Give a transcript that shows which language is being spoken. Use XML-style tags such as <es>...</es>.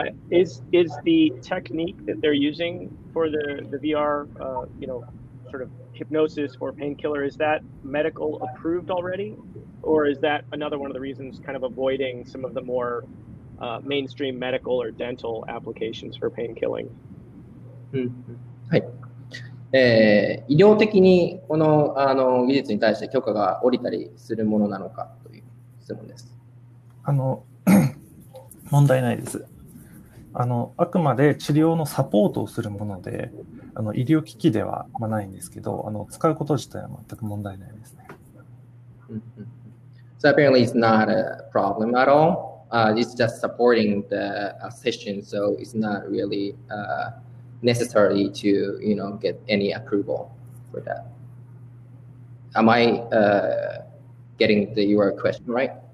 <en>Is the technique that they're using for the VR, you know,sort of hypnosis or painkiller, is that medical approved already? Or is that another one of the reasons kind of avoiding some of the more mainstream medical or dental applications for pain killing?</en> <ja>はい。医療的にこの、技術に対して許可が下りたりするものなのかという質問です。問題ないです。あくまで治療のサポートをするもので、医療機器ではないんですけど、使うこと自体は全く問題ないですね。</ja> <en>So apparently it's not a problem at all. It's just supporting the session, so it's not really necessary to, you know, get any approval for that. Am I getting your question right?</en>